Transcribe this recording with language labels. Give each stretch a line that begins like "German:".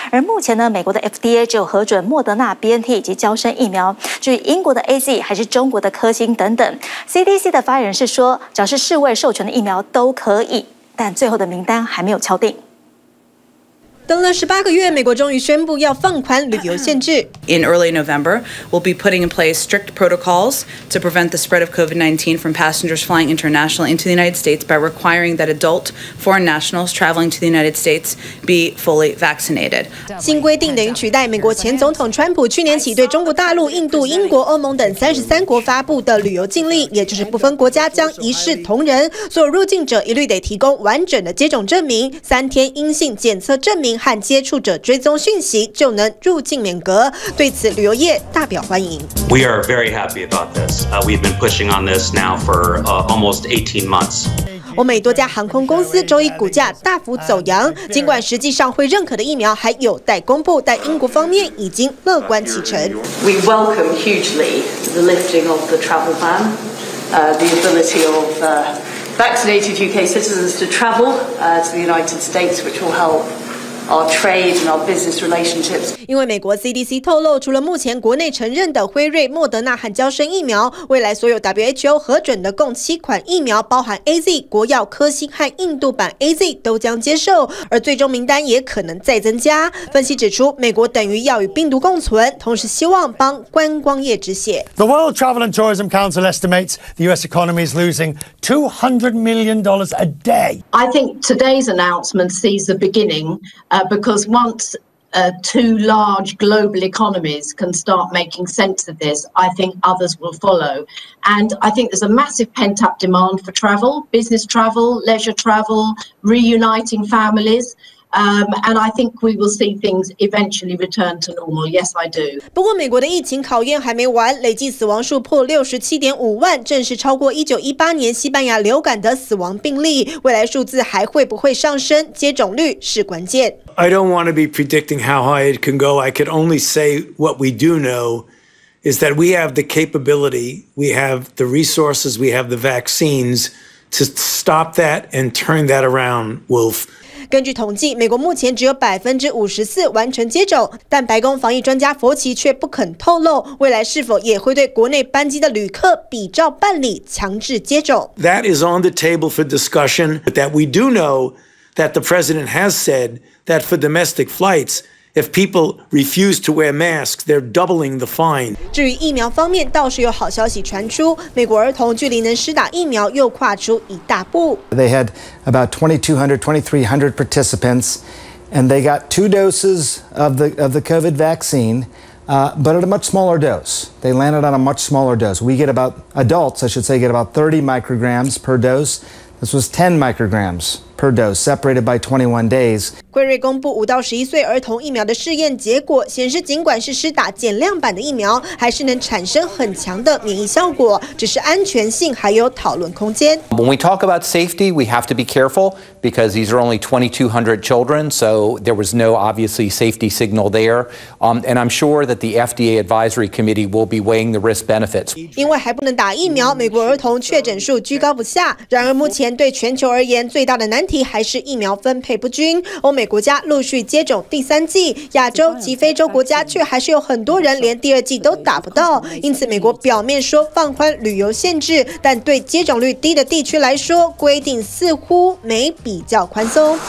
Chinese: 而目前呢，美国的 FDA 只有核准莫德纳、 BNT 以及娇生疫苗，至于英国的 AZ 还是中国的科兴等等。 CDC 的发言人是说，只要是世卫授权的疫苗都可以，但最后的名单还没有敲定。等了18个月，美国终于宣布要放宽旅游限制。
English: In early November, we'll be putting in place strict protocols to prevent the spread of COVID-19 from passengers flying internationally into the United States by requiring that adult foreign nationals traveling to the United States be fully vaccinated.
Chinese: 新规定等于取代美国前总统川普去年起对中国大陆、印度、英国、欧盟等33国发布的旅游禁令，也就是不分国家将一视同仁，所有入境者一律得提供完整的接种证明、3天阴性检测证明。和接触者追踪讯息就能入境免隔，对此旅游业大表欢迎。
English: We are very happy about this. We've been pushing on this now for almost 18 months.
Chinese: 欧美多家航空公司周一股价大幅走扬，尽管实际上会认可的疫苗还有待公布，但英国方面已经乐观启程。
English: We welcome hugely the lifting of the travel ban, the ability of vaccinated UK citizens to travel to the United States, which will help. Our trade and our business relationships.
Chinese: 因为美国 CDC 透露，除了目前国内承认的辉瑞、莫德纳和娇生疫苗，未来所有 WHO 核准的共7款疫苗，包含 AZ、国药科兴和印度版 AZ 都将接受，而最终名单也可能再增加。分析指出，美国等于要与病毒共存，同时希望帮观光业止血。
English: The World Travel and Tourism Council estimates the U.S. economy is losing $200 million a day. I think today's announcement sees the beginning. Because once two large global economies can start making sense of this, I think others will follow. And I think there's a massive pent-up demand for travel, business travel, leisure travel, reuniting families. And I think we will see things eventually return to normal. Yes, I do.
Chinese: 不过，美国的疫情考验还没完，累计死亡数破67.5万，正式超过1918年西班牙流感的死亡病例。未来数字还会不会上升？接种率是关键。
English: I don't want to be predicting how high it can go. I could only say what we do know is that we have the capability, we have the resources, we have the vaccines to stop that and turn that around, Wolf.
Chinese: 根据统计，美国目前只有54%完成接种，但白宫防疫专家佛奇却不肯透露未来是否也会对国内班机的旅客比照办理强制接种。
English: That is on the table for discussion, but that we do know that the president has said that for domestic flights, if people refuse to wear masks, they're doubling the fine.
Chinese: 至于疫苗方面，倒是有好消息传出，美国儿童距离能施打疫苗又跨出一大步。
English: They had about 2,200-2,300 participants, and they got 2 doses of the COVID vaccine, But at a much smaller dose. They landed on a much smaller dose. We get about, adults, I should say, get about 30 micrograms per dose. This was 10 micrograms per dose, separated by 21 days.
Chinese: 辉瑞公布5到11岁儿童疫苗的试验结果，显示尽管是施打减量版的疫苗，还是能产生很强的免疫效果，只是安全性还有讨论空间。
English: When we talk about safety, we have to be careful because these are only 2,200 children, so there was no obviously safety signal there. And I'm sure that the FDA advisory committee will be weighing the risk benefits.
Chinese: 因为还不能打疫苗，美国儿童确诊数居高不下。然而目前对全球而言最大的难题还是疫苗分配不均。欧美国家陆续接种第三剂，亚洲及非洲国家却还是有很多人连第二剂都打不到。因此，美国表面说放宽旅游限制，但对接种率低的地区来说，规定似乎没比较宽松。